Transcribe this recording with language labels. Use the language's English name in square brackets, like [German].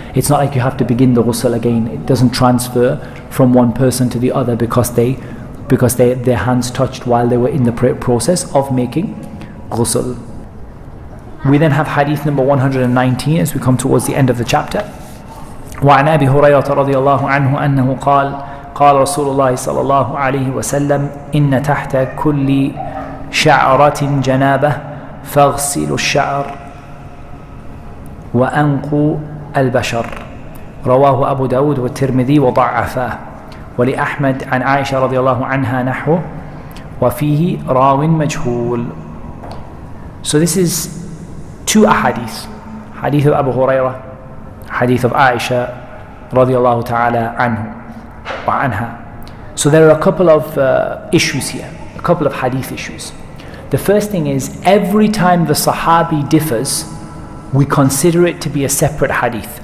[English] It's not like you have to begin the ghusl again. It doesn't transfer from one person to the other because their hands touched while they were in the process of making ghusl. We then have hadith number 119 as we come towards the end of the chapter. [Arabic] وعن أبي هريرة رضي الله عنه أنه قال قال رسول الله صلى الله عليه وسلم إن تحت كل شعرة جنابة فاغسلوا الشعر وأنقوا البشر رواه أبو داود والترمذي وضعفاه ولأحمد عن عائشة رضي الله عنها نحو وفيه راو مجهول. [English] So this is two ahadith, hadith of Abu Hurairah, hadith of Aisha [Arabic] رضي الله تعالى عنه وعنها. [English] So there are a couple of issues here, a couple of hadith issues. The first thing is, every time the Sahabi differs, we consider it to be a separate hadith.